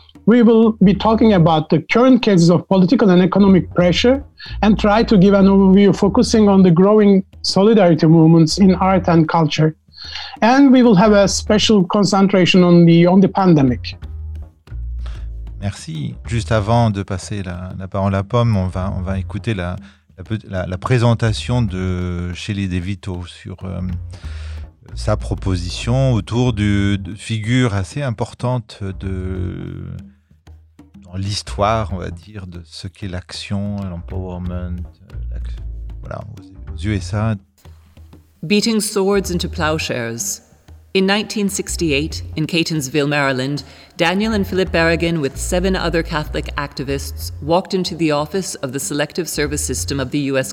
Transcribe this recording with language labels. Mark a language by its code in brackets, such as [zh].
[en] we will be talking about the current cases of political and economic pressure and try to give an overview focusing on the growing solidarity movements in art and culture. And we will have a special concentration on the pandemic. [fr] Merci. Juste avant de passer la parole à Pomme, on va écouter la présentation de Shelley DeVito sur sa proposition autour de figure assez importante dans l'histoire, on va dire, de ce qu'est l'action, l'empowerment, l'action, voilà, aux USA. [en] Beating swords into plowshares. In 1968, in Catonsville, Maryland, Daniel and Philip Berrigan, with seven other Catholic activists, walked into the office of the Selective Service System of the U.S.